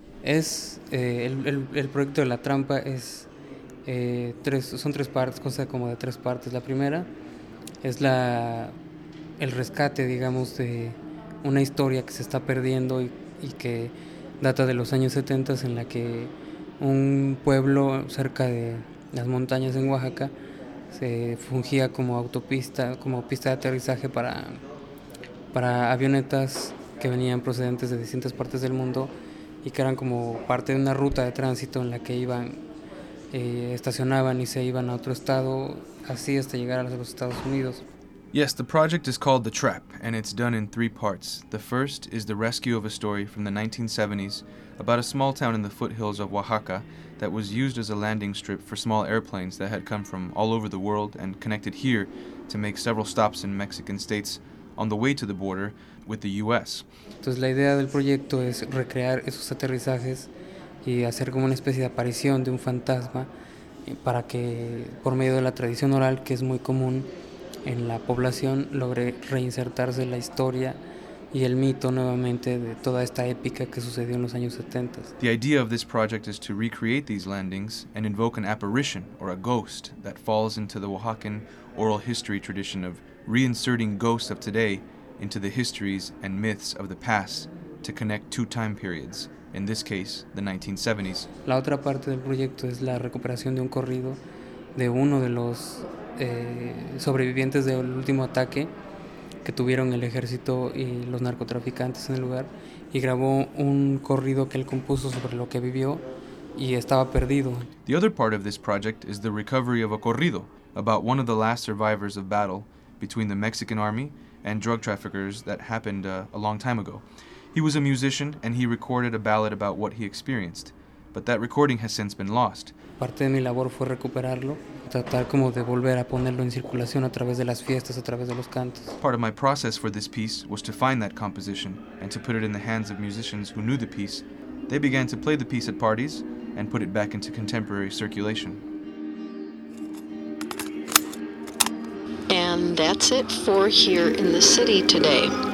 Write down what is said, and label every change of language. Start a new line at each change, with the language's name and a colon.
Spanish: Es el proyecto de la trampa es son tres partes, cosa como de tres partes. La primera es el rescate, digamos, de una historia que se está perdiendo y que data de los años 70, en la que un pueblo cerca de las montañas en Oaxaca se fungía como autopista, como pista de aterrizaje para avionetas que venían procedentes de distintas partes del mundo y que eran como parte de una ruta de tránsito en la que iban, estacionaban y se iban a otro estado, así hasta llegar a los Estados Unidos.
English: Yes, the project is called The Trap, and it's done in three parts. The first is the rescue of a story from the 1970s about a small town in the foothills of Oaxaca that was used as a landing strip for small airplanes that had come from all over the world and connected here to make several stops in Mexican states on the way to the border with the U.S.
Spanish: Entonces la idea del proyecto es recrear esos aterrizajes y hacer como una especie de aparición de un fantasma para que, por medio de la tradición oral, que es muy común en la población, logre reinsertarse la historia y el mito nuevamente de toda esta épica que sucedió en los años 70.
English: The idea of this project is to recreate these landings and invoke an apparition or a ghost that falls into the Oaxacan oral history tradition of reinserting ghosts of today into the histories and myths of the past to connect two time periods, in this case, the 1970s.
Spanish: La otra parte del proyecto es la recuperación de un corrido de uno de los sobrevivientes del último ataque que tuvieron el ejército y los narcotraficantes en el lugar, y grabó un corrido que él compuso sobre lo que vivió y estaba perdido.
English: The other part of this project is the recovery of a corrido about one of the last survivors of battle between the Mexican army and drug traffickers that happened a long time ago. He was a musician and he recorded a ballad about what he experienced, but that recording has since been lost.
Spanish: Parte de mi labor fue recuperarlo, tratar como de volver a ponerlo en circulación a través de las fiestas, a través de los cantos.
English: Part of my process for this piece was to find that composition and to put it in the hands of musicians who knew the piece. They began to play the piece at parties and put it back into contemporary circulation. And that's it for Here in the City today.